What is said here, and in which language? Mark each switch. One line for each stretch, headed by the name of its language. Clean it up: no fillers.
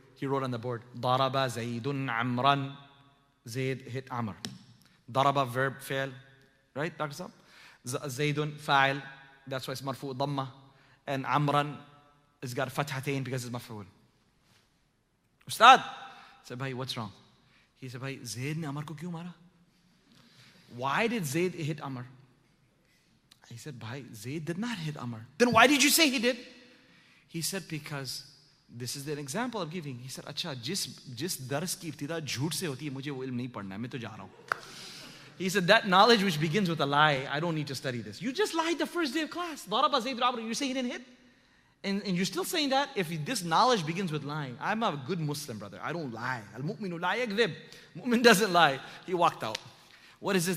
English: He wrote on the board,
Arabic: daraba zaydun amran,
English: zayd hit amr. Daraba, verb, fi'l, right, Dr. Sam? Zaydun, fa'il, that's why it's marfu, dhamma. And amran, it's got fathatain because it's maful. Ustad, I said, bhai, what's wrong? He said, bhai,
Urdu: زید نے امر کو کیوں مارا؟
English: Why did Zaid hit Amar? He said, bhai, Zaid did not hit Amar. Then why did you say he did? He said, because this is an example I'm giving. He said,
Urdu: اچھا، جس درس کی ابتدا جھوٹ سے ہوتی ہے، مجھے وہ علم نہیں پڑھنا ہے، میں تو جا رہا ہوں۔
English: He said, that knowledge which begins with a lie, I don't need to study this. You just lied the first day of class.
Arabic: Daraba Zaid Amar,
English: you say he didn't hit? And you're still saying that if this knowledge begins with lying. I'm a good Muslim, brother. I don't lie.
Arabic: Al-mu'minu la yakdhib.
English: Mu'min doesn't lie. He walked out. What is this?